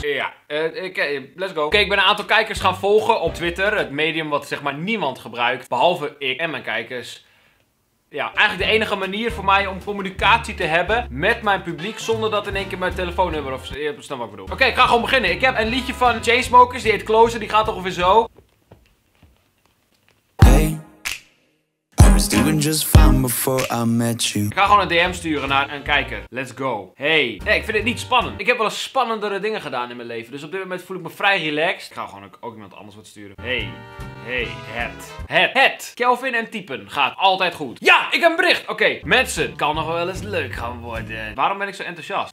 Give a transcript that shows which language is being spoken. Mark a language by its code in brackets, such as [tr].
[nl] Ja, let's go. Oké, ik ben een aantal kijkers gaan volgen op Twitter, het medium wat zeg maar niemand gebruikt, behalve ik en mijn kijkers. Ja, eigenlijk de enige manier voor mij om communicatie te hebben met mijn publiek zonder dat in één keer mijn telefoonnummer of... Je hebt het snel wat ik bedoel. Oké, ik ga gewoon beginnen. Ik heb een liedje van Chainsmokers, die heet Closer, die gaat ongeveer zo. [en] Hey, I'm doing just fine before I met you. [nl] Ik ga gewoon een DM sturen naar een kijker. Let's go. Hey. Nee, ik vind het niet spannend. Ik heb wel spannendere dingen gedaan in mijn leven, dus op dit moment voel ik me vrij relaxed. Ik ga gewoon ook iemand anders wat sturen. Hey. Hey, het. Kelvin en typen gaat altijd goed. Ja, ik heb een bericht. Oké, mensen, kan nog wel eens leuk gaan worden. Waarom ben ik zo enthousiast?